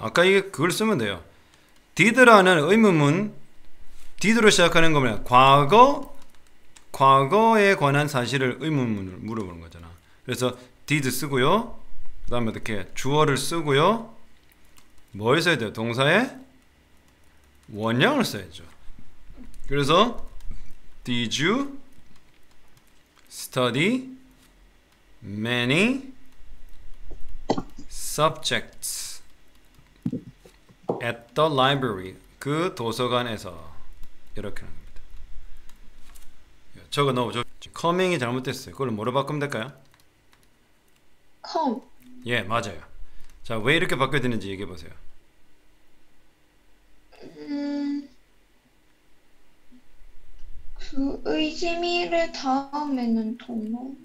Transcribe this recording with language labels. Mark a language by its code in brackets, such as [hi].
[ko] 아까 이게 그걸 쓰면 돼요. did라는 의문문 did로 시작하는 거면 과거에 관한 사실을 의문문을 물어보는 거잖아. 그래서 did 쓰고요. 그다음에 어떻게 주어를 쓰고요. 뭐에 써야 돼요? 동사의 원형을 써야죠. [en] 그래서 did you study many subjects at the library? [ko] 그 도서관에서 이렇게 하는 겁니다. 저거 너무 coming이 잘못됐어요. 그걸 뭐로 바꾸면 될까요? [en] come. [ko] 예, 맞아요. 자, 왜 이렇게 바뀌어야 되는지 얘기해 보세요. 그 의지미를 다음에는 동어.